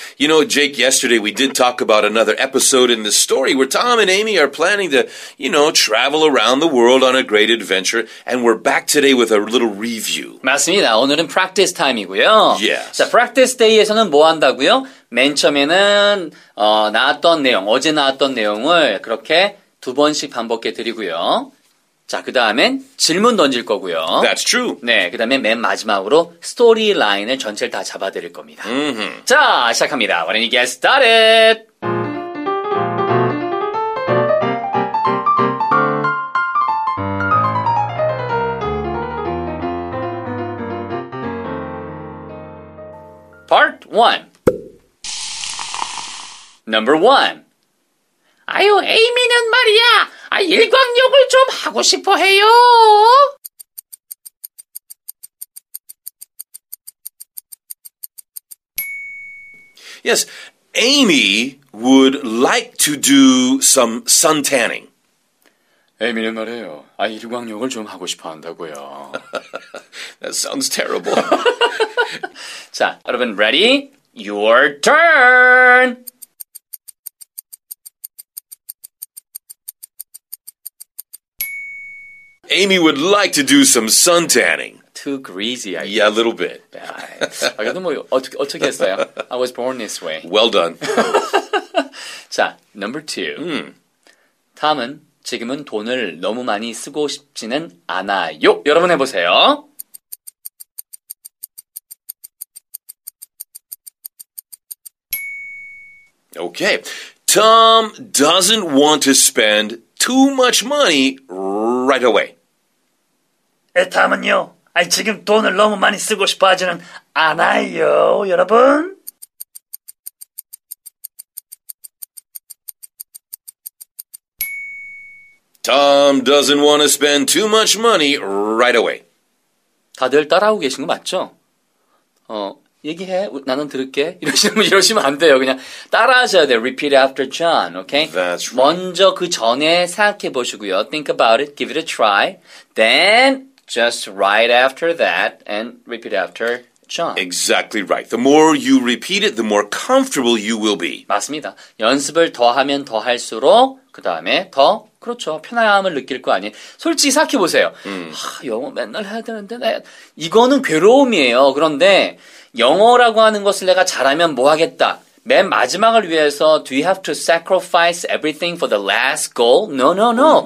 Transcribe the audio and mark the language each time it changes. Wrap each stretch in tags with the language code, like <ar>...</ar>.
<en>You know, Jake, yesterday we did talk about another episode in the story where Tom and Amy are planning to, you know, travel around the world on a great adventure. And we're back today with a little review.</en> <ko>맞습니다. 오늘은 practice time이고요.</ko> <en>Yes.</en> <ko>자, practice day에서는 뭐 한다고요? 맨 처음에는 나왔던 내용, 어제 나왔던 내용을 그렇게 두 번씩 반복해 드리고요. 자, 그 다음엔 질문 던질 거고요.</ko> <en>That's true.</en> <ko>네, 그 다음에 맨 마지막으로 스토리 라인을 전체를 다 잡아드릴 겁니다. Mm-hmm. 자, 시작합니다.</ko> <en>Why don't you get started? Part 1. Number 1.</en> <ko>아유, 에이미는 말이야! 아, 일광욕을 좀 하고 싶어 해요.</ko> <en>예, Amy would like to do some sun tanning.</en> <ko>에이미는 말해요. 아, 일광욕을 좀 하고 싶어 한다고요.</ko> <en>That sounds terrible.</en> <ko>자, 여러분</ko> <en>ready? Your turn. 에이미 would like to do some sun tanning. Too greasy, I think. Yeah, a little bit.</en> <ko>아, 그래도 뭐 어떻게 했어요?</ko> <en>I was born this way. Well done. 자, number two.</en> <ko>Tom은 지금은 돈을 너무 많이 쓰고 싶지는 않아요. 여러분 해보세요.</ko> <en>Okay. Tom doesn't want to spend too much money right away.</en> <ko>다음은요. 아니, 지금 돈을 너무 많이 쓰고 싶어 하지는 않아요, 여러분.</ko> <en>Tom doesn't want to spend too much money right away.</en> <ko>다들 따라하고 계신 거 맞죠? 얘기해. 나는 들을게. 이러시면 안 돼요. 그냥 따라하셔야 돼요.</ko> <en>Repeat after John, okay? That's right.</en> <ko>먼저 그 전에 생각해 보시고요.</ko> <en>Think about it. Give it a try. Then... Just right after that, and repeat after John. Exactly right. The more you repeat it, the more comfortable you will be.</en> <ko>맞습니다. 연습을 더 하면 더 할수록, 그 다음에 더, 그렇죠. 편안함을 느낄 거 아니에요. 솔직히 생각해보세요. 영어 맨날 해야 되는데, 이거는 괴로움이에요. 그런데 영어라고 하는 것을 내가 잘하면 뭐 하겠다. 맨 마지막을 위해서</ko> <en>do you have to sacrifice everything for the last goal? No, no, no.</en>